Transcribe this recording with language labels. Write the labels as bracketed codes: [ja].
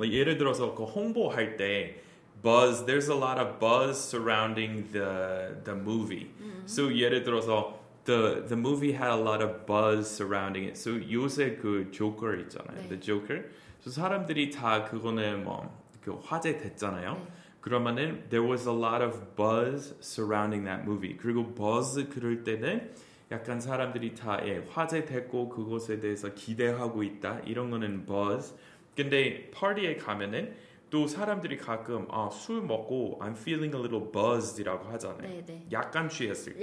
[ko] 예를 들어서 그 홍보할 때 [en] buzz, there's a lot of buzz surrounding the movie. So, [ko] 예를 들어서 [en] the movie had a lot of buzz surrounding it. [ko] So, 요새 그 Joker 있잖아요. 네. [en] The Joker. [ko] So, 사람들이 다 그거는 뭐 그 화제 됐잖아요. 네. [en] 그러면은 there was a lot of buzz surrounding that movie. [ko] 그리고 buzz 그럴 때는 약간 사람들이 다 예, 화제됐고 그것에 대해서 기대하고 있다 이런 거는 buzz. 근데 파티에 가면은 또 사람들이 가끔 술 먹고 [en] I'm feeling a little buzzed [ko] 이라고 하잖아요. 네네. 약간 취했을 때.